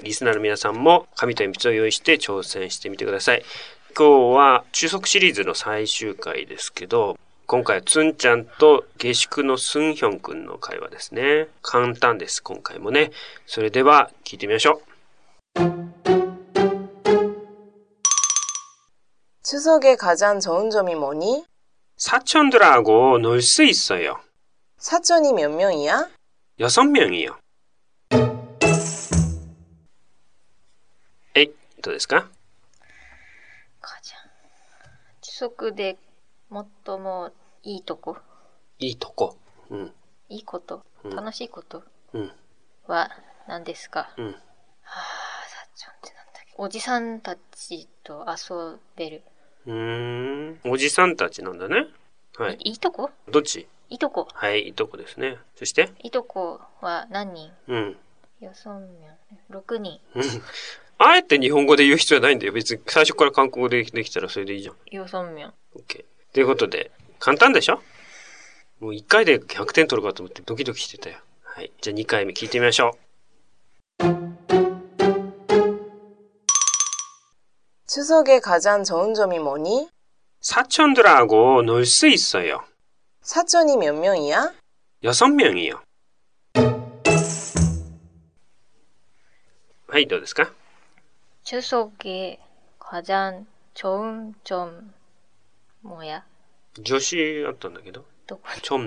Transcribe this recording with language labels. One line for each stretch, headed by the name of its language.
Japanese: リスナーの皆さんも紙と鉛筆を用意して挑戦してみてください。今日は中足シリーズの最終回ですけど、今回はツンちゃんと下宿のスンヒョンくんの会話ですね。簡単です、今回もね。それでは聞いてみましょう。
Korean: 추석에가장좋은점이뭐니 사촌들하고놀수있어요 사촌이몇명이야 여섯명이요에이
Japanese: どうですか
Korean: 가장추석
Japanese: で最もいいとこいいとこ、うん、いいこと、うん、楽しいこと、うん、は何ですか、うん、はあ、사촌ってなんだっけ、おじさんたちと遊べる。おじさんたちなんだね。はい。いいとこどっちいとこ。はい、いとこですね。そしていとこは何人？うん。よそんみょん。6人。あえて日本語で言う必要はないんだよ。別に最初から韓国語でできたらそれでいいじゃん。よそんみょん。 OK。ということで、簡単でしょ？もう1回で100点取るかと思ってドキドキしてたよ。はい。じゃあ2回目聞いてみましょう。
Korean: 추석에가장좋은점이뭐니 사촌들하고놀수있어요 사촌이몇명이야 여섯명이요
Japanese: はい、どうですか
Korean: 추석에가장좋은점뭐야 조시였던
Japanese: だけど
Korean: 점